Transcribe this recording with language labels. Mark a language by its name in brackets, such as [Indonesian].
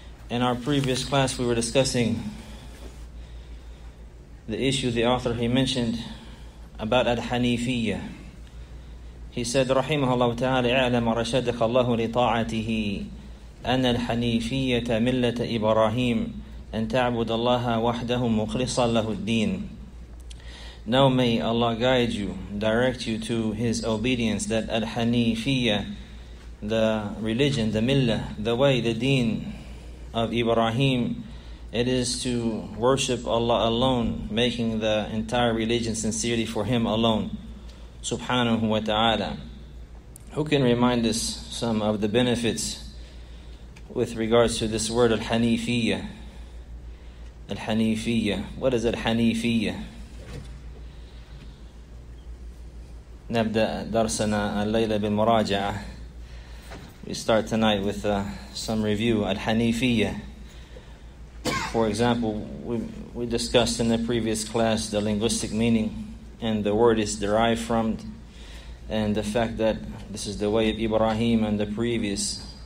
[English] In our previous class we were discussing the issue the author he mentioned about Al-Hanifiyya. He said, [Arabic] رحمه تعالى اعلم رشدك الله لطاعته أن الحنيفية ملة إبراهيم أن تعبد الله وحده مخلصا له الدين. [English] Now may Allah guide you, direct you to His obedience, that Al-Hanifiyya, the religion, the millah, the way, the deen of Ibrahim, it is to worship Allah alone, making the entire religion sincerely for Him alone, subhanahu wa ta'ala. Who can remind us some of the benefits with regards to this word Al-Hanifiyya? Al-Hanifiyya, what is Al-Hanifiyya? [Arabic] نبدأ درسنا الليلة بالمراجعة. [English] We start tonight with some review. Al-Hanifiyya. For example, we discussed in the previous class the linguistic meaning, and the word is derived from, and the fact that this is the way of Ibrahim and the previous